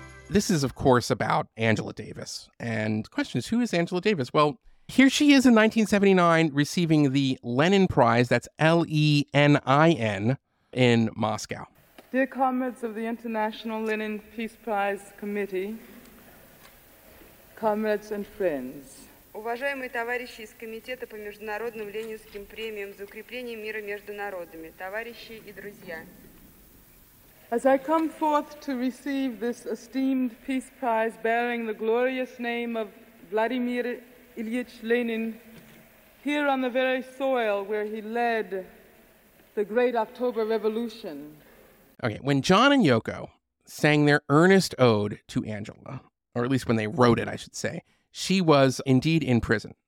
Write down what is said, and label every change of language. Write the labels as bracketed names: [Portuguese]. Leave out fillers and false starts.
[English] This is, of course, about Angela Davis. And the question is, who is Angela Davis? Well, here she is in 1979 receiving the Lenin Prize, that's L-E-N-I-N, in Moscow. Dear comrades of the International Lenin Peace Prize Committee, comrades and friends. [Russian] Уважаемые товарищи из Комитета по международным ленинским премиям за укрепление мира между народами, товарищи и друзья. [English] As I come forth to receive this esteemed Peace Prize bearing the glorious name of Vladimir Ilyich Lenin, here on the very soil where he led the great October Revolution. Okay, when John and Yoko sang their earnest ode to Angela, or at least when they wrote it, I should say, she was indeed in prison.